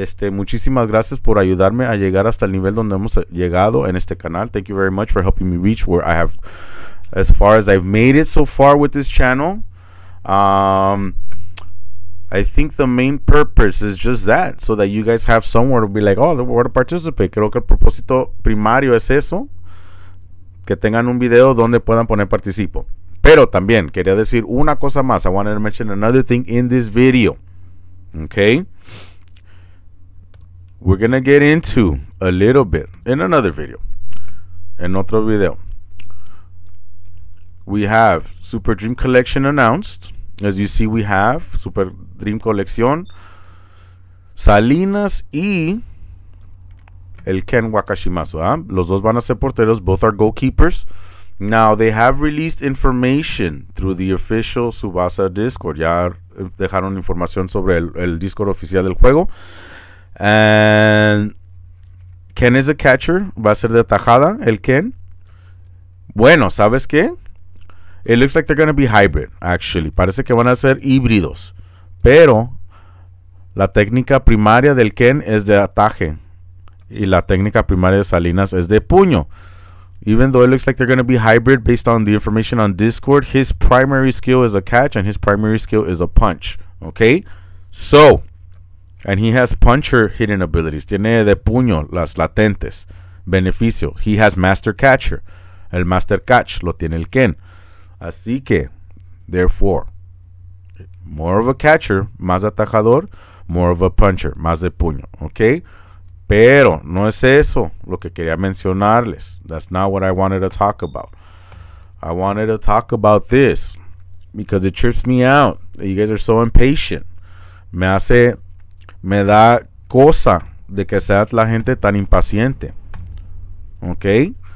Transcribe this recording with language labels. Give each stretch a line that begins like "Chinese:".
Spanish: Muchísimas gracias por ayudarme a llegar hasta el nivel donde hemos llegado en este canal.
English: Thank you very much for helping me reach where I have, as far as I've made it so far with this channel. I think the main purpose is just that, so that you guys have somewhere to be like, oh, they want to participate.
Spanish: Creo que el propósito primario es eso. Que tengan un video donde puedan poner participo. Pero también quería decir una cosa más.
English: I wanted to mention another thing in this video. Okay. We're going to get into a little bit in another video.
Spanish: En otro video.
English: We have Super Dream Collection announced. As you see, we have Super Dream Collection, Salinas y el Ken Wakashimasu.
Spanish: Los dos van a ser porteros.
English: Both are goalkeepers. Now, they have released information through the official Tsubasa Discord.
Spanish: Ya dejaron información sobre el Discord oficial del juego.
English: And Ken is a catcher.
Spanish: Va a ser de tajada el Ken. Bueno, ¿sabes qué?
English: It looks like they're going to be hybrid, actually.
Spanish: Parece que van a ser híbridos. Pero la técnica primaria del Ken es de ataje. Y la técnica primaria de Salinas es de puño.
English: Even though it looks like they're going to be hybrid based on the information on Discord, his primary skill is a catch and his primary skill is a punch. Okay? So, and he has puncher hidden abilities.
Spanish: Tiene de puño las latentes. Beneficio.
English: He has master catcher.
Spanish: El master catch lo tiene el Ken. Así que,
English: therefore, more of a catcher,
Spanish: más atajador,
English: more of a puncher,
Spanish: más de puño,
English: okay?
Spanish: Pero no es eso lo que quería mencionarles.
English: That's not what I wanted to talk about. I wanted to talk about this because it trips me out. You guys are so impatient.
Spanish: Me da cosa de que sea la gente tan impaciente, okay?